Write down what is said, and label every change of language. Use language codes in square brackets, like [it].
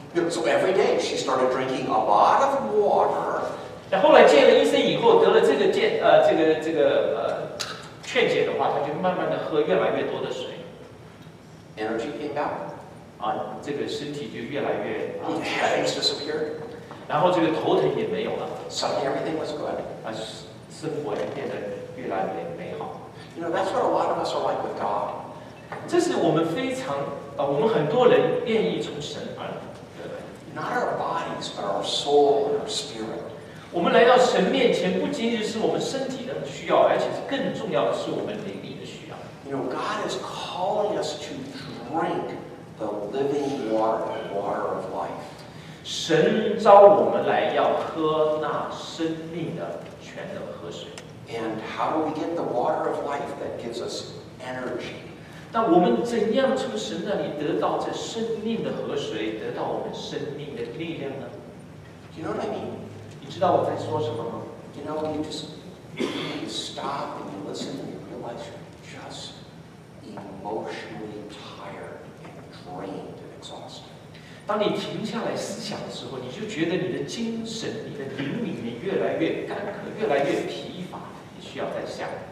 [en] So every day she started drinking a lot of water. [zh] 那后来见了医生以后，得了这个劝解的话，她就慢慢的喝越来越多的水。 [en] Energy came back. [zh] 这个身体就越来越 [en] Headaches disappeared. [zh] 然后这个头疼也没有了。 [en] Suddenly everything was good. [zh] 生活也变得越来越美好。 [en] You know that's what a lot of us are like with God. [zh] 这是我们非常。我们很多人愿意从神而来。 [en] Not our bodies, but our soul and our spirit. [zh] 我们来到神面前，不仅仅是我们身体的需要，而且更重要的是我们灵里的需要。 [en] You know, God is calling us to drink the living water, the water of life. [zh] 神召我们来要喝那生命的泉的河水。 [en] And how do we get the water of life that gives us energy? [zh] 那我们怎样从神那里得到这生命的河水，得到我们生命的力量呢？ [en] You know what I mean? [zh] 你知道我在说什么吗？ [en] You know, you just stop and you listen and you realize you're just emotionally tired and drained and exhausted. [zh] 当你停下来思想的时候，你就觉得你的精神、你的灵里面越来越干渴，越来越疲乏，你需要再想。